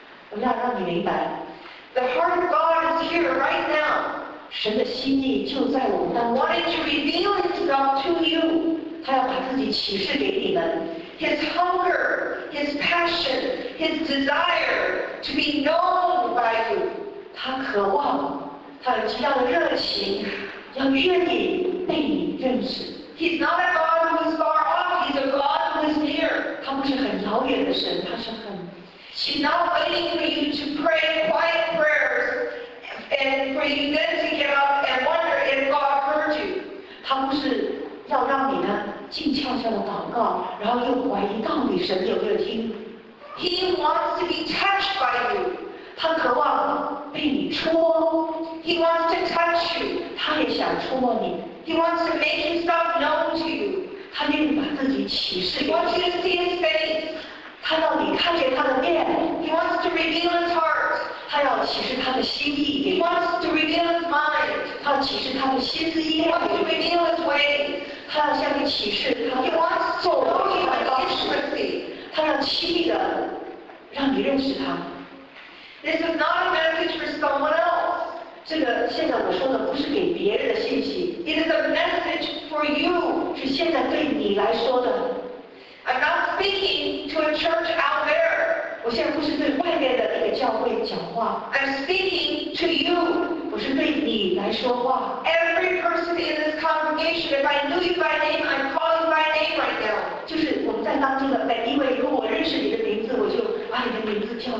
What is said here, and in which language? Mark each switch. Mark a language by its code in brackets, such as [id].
[zh] 我要让你明白 [en] ，the heart of God is here right now。 [zh] 神的心意就在我们当中。 [en] Wanting to reveal himself to you， [zh] 他要把自己启示给你们。 [en] His hunger his passion, his desire to be known by you. [zh] 他渴望，他有极大的热情，要愿意被你认识。 [en] He's not a God who is far off. He's a God who is near. [zh] 他不是很遥远的神，他是很。 [en] She's not waiting for you to pray quiet prayers and for you then to get up and wonder if God heard you. [zh] 他不是要让你呢静悄悄的祷告，然后又怀疑到底神有没有听。 [en] He wants to be touched by you. [zh] 他渴望被你戳。 [en] He wants to touch you. [zh] 他也想触摸你。 [en] He wants to make himself known to you. [zh] 他愿意把自己启示。 [en] He wants you to see his face. [zh] 他要你看见他的面。 [en] He wants to reveal his heart. [zh] 他要启示他的心意。 [en] He wants to reveal his mind. [zh] 他要启示他的心思意念。 [en] He wants to reveal his ways. [zh] 他要向你启示他。 [en] He wants to know you by intimacy. [zh] 他要亲密的让你认识他。 [en] This is not a message for someone else. [zh] 这个现在我说的不是给别人的信息。 [en] It is a message for you. [zh] 是现在对你来说的。 [en] I'm not speaking to a church out there. [zh] 我现在不是对外面的那个教会讲话。 [en] I'm speaking to you. [zh] 我是对你来说话。 [en] Every person in this congregation, if I knew you by name, I'd call you by name right now. [zh] 就是我们在当中的每一位，如果我认识你的名字，我就把你的名字叫。